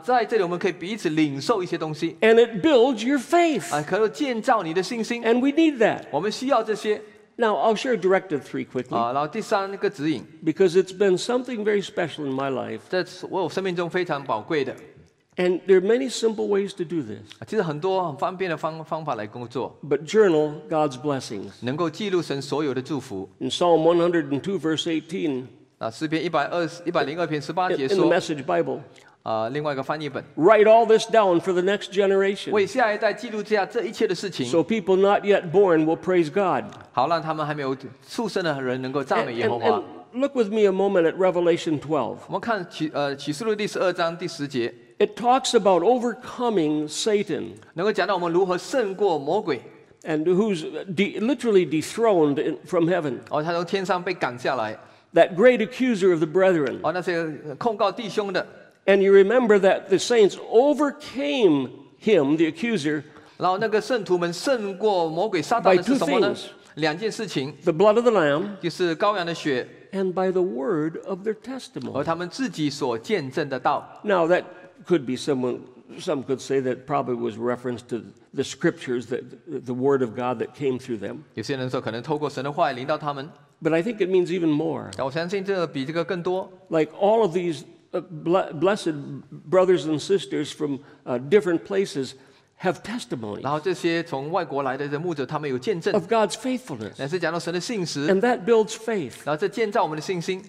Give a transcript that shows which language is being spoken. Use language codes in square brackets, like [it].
[zh] 在这里我们可以彼此领受一些东西。 [en] And it builds your faith. [zh] 可以建造你的信心。 [en] And we need that. [zh] 我们需要这些。 [en] Now I'll share directive three quickly. [zh] 然后第三个指引。 [en] Because it's been something very special in my life. [zh] 这是我生命中非常宝贵的。 [en] And there are many simple ways to do this. [zh] 其实很多很方便的方法来工作。 [en] But journal God's blessings. [zh] 能够记录神所有的祝福。 [en] In Psalm 102:18. [zh] 诗篇102:18节说。 [en] In the Message Bible. [zh] 另外一个翻译本。 [en] Write all this down for the next generation. [zh] 为下一代记录下这一切的事情。 [en] So people not yet born will praise God. [zh] 好让他们还没有出生的人能够赞美耶和华。 [en] Look with me a moment at Revelation 12. [zh] 我们看启示录第十二章第十节。 [en] It talks about overcoming Satan. [zh] 能够讲到我们如何胜过魔鬼。 [en] And who's literally dethroned from heaven. [zh] 他从天上被赶下来。 [en] That great accuser of the brethren. [zh] 那些控告弟兄的。 [en] And you remember that the saints overcame him, the accuser. [zh] 然后那个圣徒们胜过魔鬼撒旦的是什么呢？两件事情。 [en] The blood of the lamb. [zh] 就是羔羊的血。 [en] And by the word of their testimony. [zh] 而他们自己所见证的道。 [en] Now that. Could be someone. Some could say that probably was reference to the scriptures, that the word of God that came through them. [zh] 有些人说可能透过神的话引导他们。 [en] But I think it means even more. [zh] 我相信这比这个更多。 [en] Like all of these blessed brothers and sisters from different places have testimonies. [zh] 然后这些从外国来的牧者，他们有见证。 [en] Of God's faithfulness. [zh] 乃是讲到神的信实。 [en] And that builds faith. [zh] 然后这建造我们的信心。